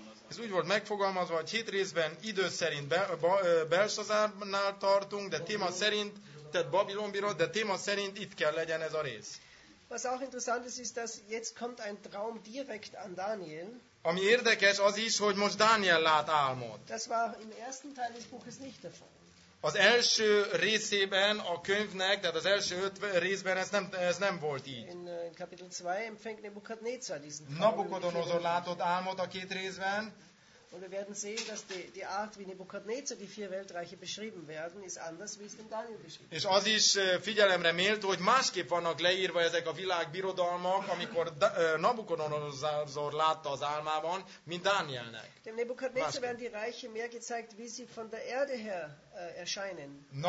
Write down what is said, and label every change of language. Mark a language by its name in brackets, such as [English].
[Hungarian] Ez úgy volt megfogalmazva, hogy hét részben idő szerint Belsazárnál tartunk, de téma szerint, tehát Babilon bírod, de téma szerint itt kell legyen ez a rész. [German] Was auch interessant ist, dass jetzt kommt ein Traum direkt an Daniel. [Hungarian] Ami érdekes az is, hogy most Dániel lát álmot. [German] Das war im ersten Teil des Buches nicht der Fall. [Hungarian] Az első részében a könyvnek, tehát az első öt részben ez nem volt így. [German] In Kapitel 2 empfängt Nebukadnezar diesen Traum. [Hungarian] Nabukodonozor látott álmot a két részben. [German] Und wir werden sehen, dass die Art, wie Nebukadnezar die vier Weltreiche beschrieben werden, ist anders, wie es in Daniel beschrieben. [Hungarian] És az is figyelemre méltó, hogy másképp vannak leírva ezek a világbirodalmak, amikor Nabukodonozor látta az álmában, mint Dánielnek. [German] Dem Nebukadnezar werden die Reiche mehr gezeigt, wie sie von der Erde her erscheinen.